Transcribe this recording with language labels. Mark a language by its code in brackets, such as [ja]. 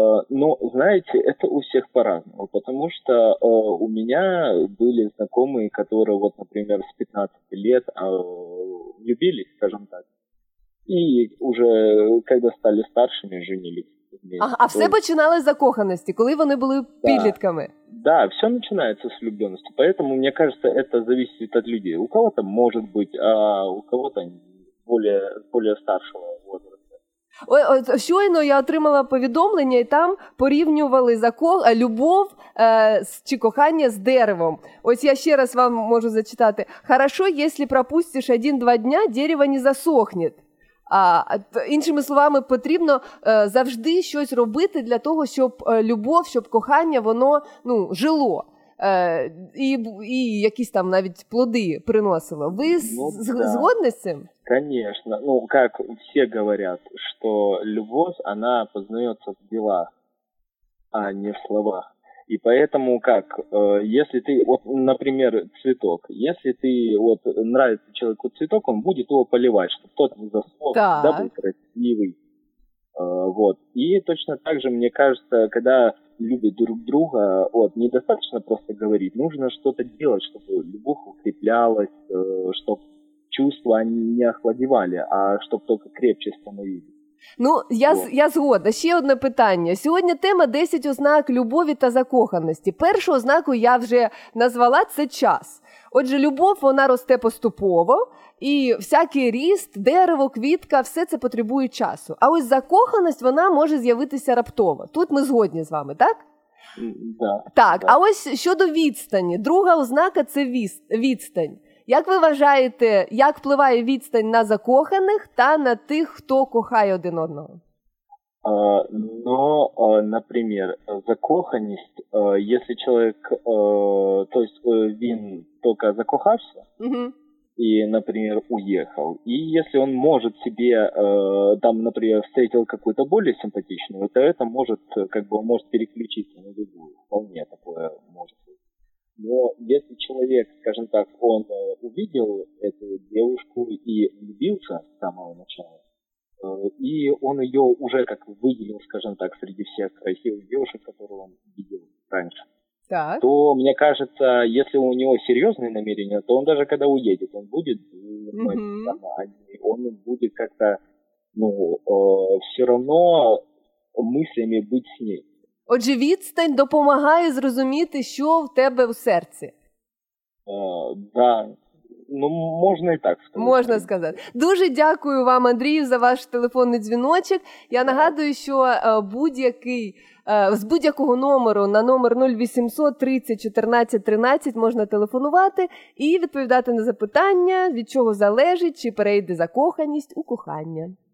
[ru] Ну, знаете, это у всех по-разному, потому что у меня были знакомые, которые, вот, например, с 15 лет влюбились, скажем так, и уже, когда стали старшими, женились вместе. А все начиналось с закоханности, когда они были подлетками? Да, все начинается с влюбленности, поэтому, мне кажется, это зависит от людей. У кого-то может быть, а у кого-то более старшего возраста. [uk] Щойно я отримала повідомлення, і там порівнювали любов чи кохання з деревом. Ось я ще раз вам можу зачитати. «Хорошо, якщо пропустиш 1-2 дня, дерево не засохне». Іншими словами, потрібно завжди щось робити для того, щоб любов, щоб кохання, воно, ну, жило. І якісь там навіть плоди приносило. Ви згодні з цим? [ru] Конечно. Ну, как все говорят, что любовь, она познается в делах, а не в словах. И поэтому, как, если ты, вот, например, цветок, если ты, вот, нравится человеку цветок, он будет его поливать, чтобы тот не заснул, да, был красивый. Вот. И точно так же, мне кажется, когда любят друг друга, вот, недостаточно просто говорить, нужно что-то делать, чтобы любовь укреплялась, чтобы чувства они не охладевали, а чтобы только крепче становились. [uk] Ну, я згодна. Ще одне питання. Сьогодні тема 10 ознак любові та закоханості. Першу ознаку я вже назвала – це час. Отже, любов, вона росте поступово, і всякий ріст, дерево, квітка – все це потребує часу. А ось закоханість, вона може з'явитися раптово. Тут ми згодні з вами, так? [ru] Да, [uk] так. Да. А ось щодо відстані. Друга ознака – це відстань. Як ви вважаєте, як впливає відстань на закоханих та на тих, хто кохає один одного? Ну, наприклад, закоханість, якщо чоловік, тобто він тільки закохався, і, наприклад, уїхав, і якщо він може собі, там, наприклад, встретив якусь більш симпатичну, то це може, як би, може переключитися на іншу, вполне таке може бути. [ru] Но если человек, скажем так, он увидел эту девушку и влюбился с самого начала, и он ее уже как выделил, скажем так, среди всех красивых девушек, которые он видел раньше, так, то, мне кажется, если у него серьезные намерения, то он даже когда уедет, он будет думать, он будет как-то, ну, все равно мыслями быть с ней. [uk] Отже, відстань допомагає зрозуміти, що в тебе в серці. Да. Ну, можна і так сказати. Можна сказати. Дуже дякую вам, Андрію, за ваш телефонний дзвіночок. Я нагадую, що будь-який, з будь-якого номеру на номер 0800 30 14 13 можна телефонувати і відповідати на запитання, від чого залежить, чи перейде закоханість у кохання.